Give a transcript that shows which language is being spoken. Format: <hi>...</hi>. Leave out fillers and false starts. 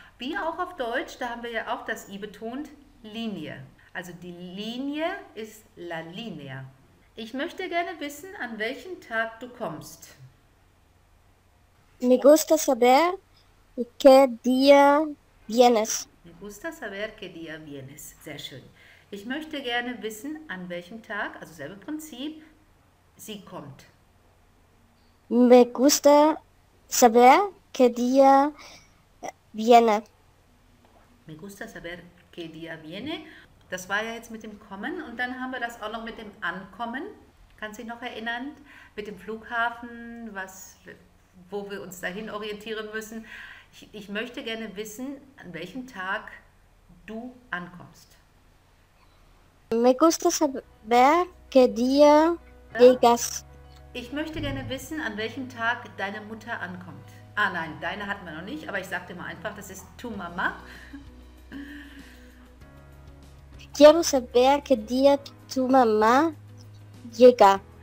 <de>Wie auch auf Deutsch, da haben wir ja auch das I betont. Linie. Also die Linie ist la linea. Ich möchte gerne wissen, an welchem Tag du kommst.</de> <es>Me gusta saber qué día vienes. Me gusta saber qué día vienes.</es> <de>Sehr schön. Ich möchte gerne wissen, an welchem Tag, also selbe Prinzip, sie kommt.</de> <es>Me gusta saber qué día viene. Me gusta saber qué día viene.</es> <de>Das war ja jetzt mit dem Kommen und dann haben wir das auch noch mit dem Ankommen. Kannst dich noch erinnern? Mit dem Flughafen, wo wir uns dahin orientieren müssen. Ich möchte gerne wissen, an welchem Tag du ankommst.</de> <es>Me gusta saber qué día llegas.</es> <de>Ich möchte gerne wissen, an welchem Tag deine Mutter ankommt. Ah nein, deine hatten wir noch nicht, aber ich sagte mal einfach, das ist tu Mama.</de> <es>Quiero saber qué día tu mamá llega.</es>